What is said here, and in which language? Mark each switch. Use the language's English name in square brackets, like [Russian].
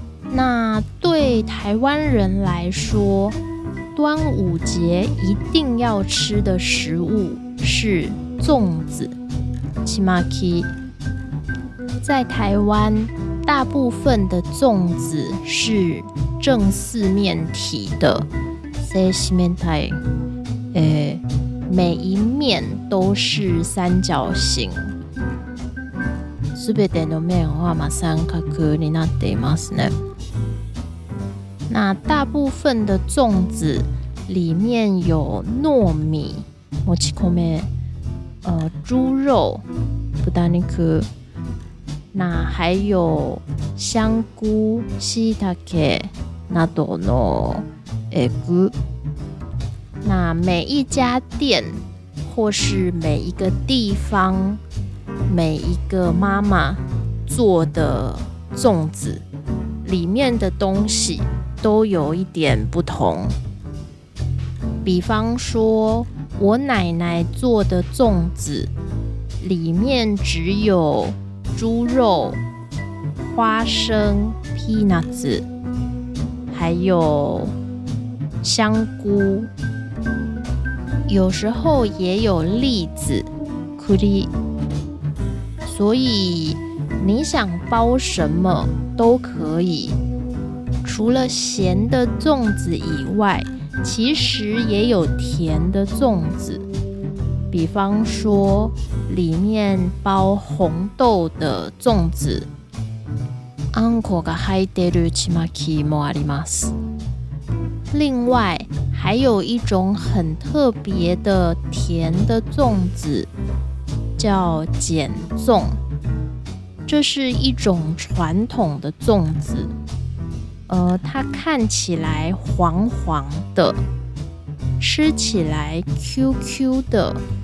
[Chinese] 那对台湾人来说，端午节一定要吃的食物是粽子，ちまき。在台湾，大部分的粽子是正四面体的，正四面体，每一面都是三角形。 [Japanese] すべての面はま三角になっていますね。 [Chinese] 那大部分的粽子里面有糯米、もち米、猪肉、 [Japanese] 豚肉， [Chinese] 那还有香菇、 [Japanese] しいたけなどのエグ。 [Chinese] 那每一家店或是每一个地方、每一个妈妈做的粽子里面的东西都有一点不同。比方说，我奶奶做的粽子里面只有猪肉、花生 peanuts， 还有香菇，有时候也有栗子 [Japanese] kuri。 [Chinese] 所以你想包什么都可以。除了咸的粽子以外，其实也有甜的粽子，比方说里面包红豆的粽子。 [Japanese] あんこが入ってるちまきもあります。 [Chinese] 另外还有一种很特别的甜的粽子，叫碱粽。这是一种传统的粽子。它看起来黄黄的，吃起来 QQ 的，